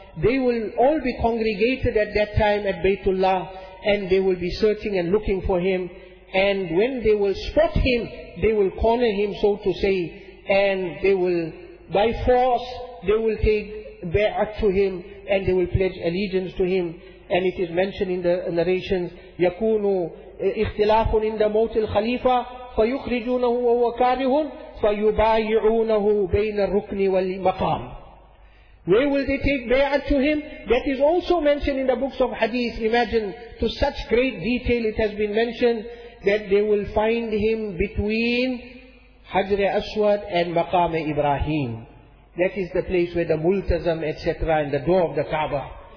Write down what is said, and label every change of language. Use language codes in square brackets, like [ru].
[en] they will all be congregated at that time at Baytullah, and they will be searching and looking for him. And when they will spot him, they will corner him, so to say, and they will, by force, they will take bay'at to him, and they will pledge allegiance to him. And it is mentioned in the narrations, [ar] يَكُونُ إِخْتِلَافٌ إِنْدَ مَوْتِ الْخَلِيفَةِ فَيُخْرِجُونَهُ وَهُوَ كَارِهٌ فَيُبَايِعُونَهُ بَيْنَ الرُّكْنِ وَالْمَقَامِ. [en] Where will they take bay'at to him? That is also mentioned in the books of hadith. Imagine, to such great detail it has been mentioned, that they will find him between Hajr-e-Aswad and Maqam-e-Ibrahim. That is the place where the Multazam, etc., and the door of the Kaaba.